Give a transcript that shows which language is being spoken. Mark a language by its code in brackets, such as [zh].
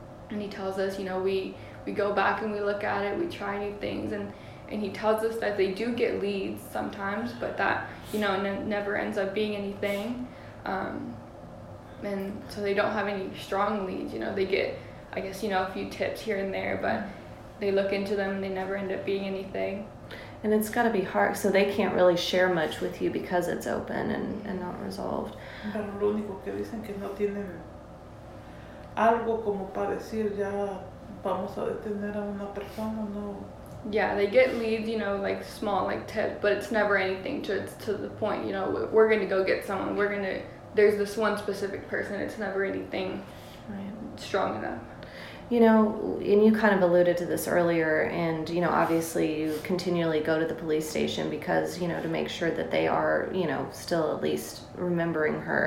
[en] And he tells us, you know, we go back and we look at it, we try new things, and he tells us that they do get leads sometimes, but that, you know, never ends up being anything. And so they don't have any strong leads, you know, they get, I guess, you know, a few tips here and there, but they look into them and they never end up being anything. And it's gotta be hard, so they can't really share much with you because it's open and not resolved. [es] Pero lo único que dicen que no tienen algo como para decir ya vamos a detener a una persona, no. [en] Yeah, they get leads, you know, like small, like tips, but it's never anything to the point, you know, we're going to go get someone, there's this one specific person, it's never anything strong enough. You know, and you kind of alluded to this earlier, and, you know, obviously you continually go to the police station because, you know, to make sure that they are, you know, still at least remembering her.